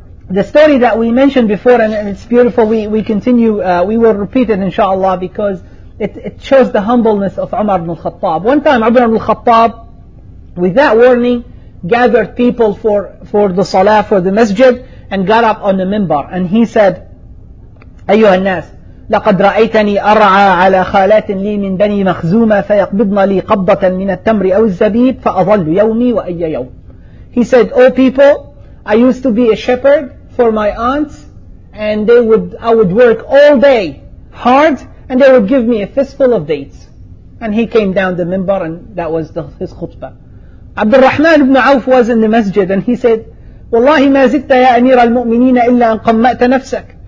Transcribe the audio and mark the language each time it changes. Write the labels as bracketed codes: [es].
[en] The story that we mentioned before, and it's beautiful. We continue. We will repeat it, inshallah, because it shows the humbleness of Umar ibn al-Khattab. One time, Umar ibn al-Khattab, without warning, gathered people for the salah, for the masjid, and got up on the minbar. And he said, [ar] أيها الناس, لقد رأيتني أرعى على خالات لي من بني مخزومة فيقبضن لي قبضة من التمر أو الزبيب فأظل يومي وأي يوم. [en] He said, oh people, I used to be a shepherd for my aunts, and I would work all day hard, and they would give me a fistful of dates. And he came down the minbar, and that was his khutbah. Abdul Rahman ibn Auf was in the masjid, and he said, [ar] "Wallahi ma zidta ya amir al-mu'minin illa an qamma'ta nafsak."